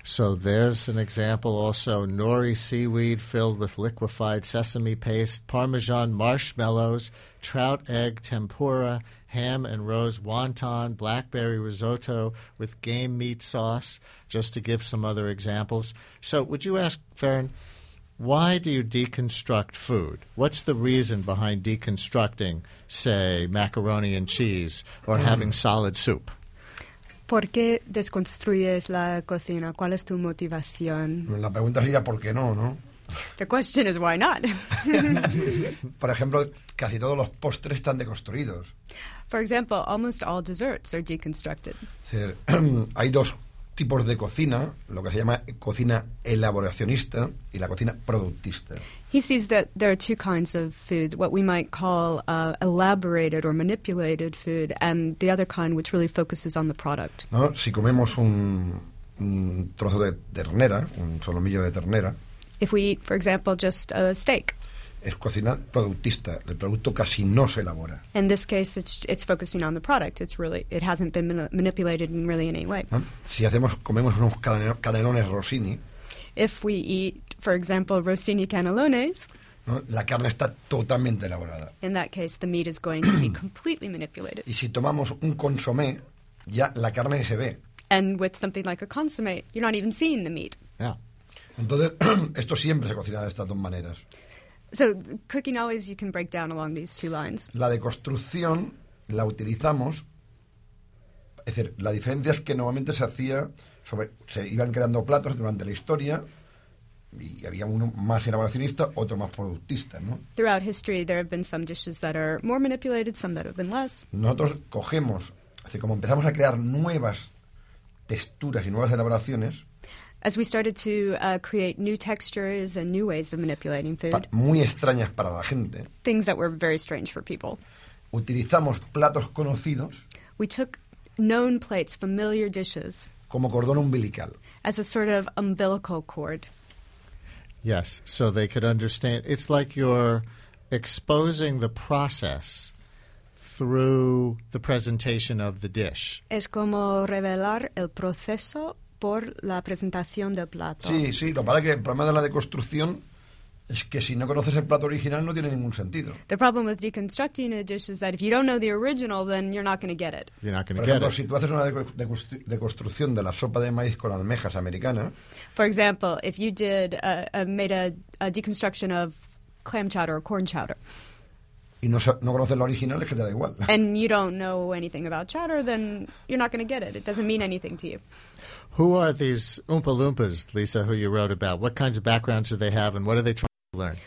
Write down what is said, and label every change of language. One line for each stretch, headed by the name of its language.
English: So there's an example also, nori seaweed filled with liquefied sesame paste, parmesan marshmallows, trout egg tempura, ham and rose wonton, blackberry risotto with game meat sauce, just to give some other examples. So would you ask, Ferran, why do you deconstruct food? What's the reason behind deconstructing, say, macaroni and cheese or having solid soup?
Spanish: ¿Por qué desconstruyes la cocina? ¿Cuál es tu motivación? La pregunta sería por qué no, ¿no?
English: The question is why not?
Spanish: Por ejemplo, casi todos los postres están deconstruidos.
English: For example, almost all desserts are deconstructed.
Spanish: Sí, hay dos tipos de cocina, lo que se llama cocina elaboracionista y la cocina productista.
English: He sees that there are two kinds of food, what we might call elaborated or manipulated food, and the other kind which really focuses on the product.
Spanish: No, si comemos un trozo de ternera, un solomillo de ternera.
English: If we eat, for example, just a steak.
Spanish: Es cocina productista, el producto casi no se elabora.
English: In this case, it's focusing on the product. It hasn't been manipulated in really any way.
Spanish: Si comemos unos canelones Rossini.
English: If we eat, for example, Rossini canelones.
Spanish: ¿No? La carne está totalmente elaborada.
English: In that case, the meat is going to be completely manipulated.
Spanish: Y si tomamos un consomé, ya la carne se ve.
English: And with something like a consomé, you're not even seeing the meat. Yeah.
Spanish: Entonces, esto siempre se cocina de estas dos maneras.
English: So, cooking always, you can break down along these two lines.
Spanish: La deconstrucción la utilizamos, es decir, la diferencia es que normalmente se hacía sobre, se iban creando platos durante la historia, y había uno más elaboracionista, otro más productista, ¿no?
English: Throughout history, there have been some dishes that are more manipulated, some that have been less.
Spanish: Nosotros cogemos, es decir, como empezamos a crear nuevas texturas y nuevas elaboraciones.
English: As we started to create new textures and new ways of manipulating food.
Spanish: Muy extrañas para la gente.
English: Things that were very strange for people.
Spanish: Utilizamos platos conocidos.
English: We took known plates, familiar dishes.
Spanish: Como cordón umbilical.
English: As a sort of umbilical cord. Yes, so they could understand. It's like you're exposing the process through the presentation of the dish.
Spanish: Es como revelar el proceso por la presentación del plato. Sí, sí. Lo que pasa es que el problema de la deconstrucción es que si no conoces el plato original no tiene ningún sentido.
English: The problem with deconstructing a dish is that if you don't know the original, then you're not going to get it. You're not going to get it.
Spanish: Por ejemplo, si tú haces una deconstrucción de la sopa de maíz con almejas americana.
English: For example, if you did made a deconstruction of clam chowder or corn chowder.
Spanish: Y no conoces lo original, es que te da igual.
English: And you don't know anything about chowder, then you're not going to get it. It doesn't mean anything to you. Who are these Oompa Loompas, Lisa, who you wrote about? What kinds of backgrounds do they have, and what are they trying to learn?